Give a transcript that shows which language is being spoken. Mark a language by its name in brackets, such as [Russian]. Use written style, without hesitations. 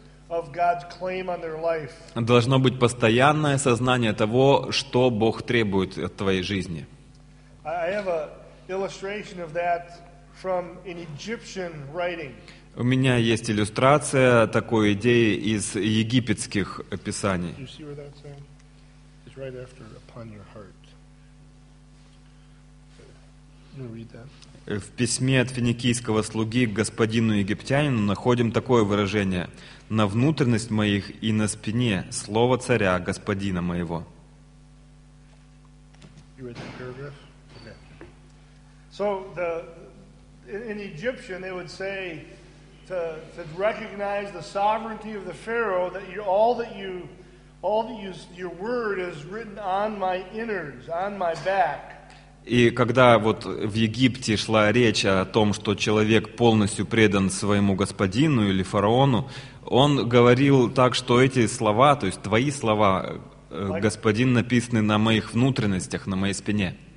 [Russian] Должно быть постоянное сознание того, что Бог требует от твоей жизни. [English] I have an illustration of that from an Egyptian writing. [Russian] У меня есть иллюстрация такой идеи из египетских писаний. [English] You see where that's saying? It's right after upon your heart. You read that? [Russian] В письме от финикийского слуги к господину египтянину находим такое выражение: «На внутренность моих и на спине слово царя, господина моего». [English] You read that paragraph? Okay. So the in Egyptian they would say to recognize the sovereignty of the Pharaoh, that your word is written on my innards, on my back. [Russian] И когда вот в Египте шла речь о том, что человек полностью предан своему господину или фараону, он говорил так, что эти слова, то есть твои слова, господин, написаны на моих внутренностях, на моей спине.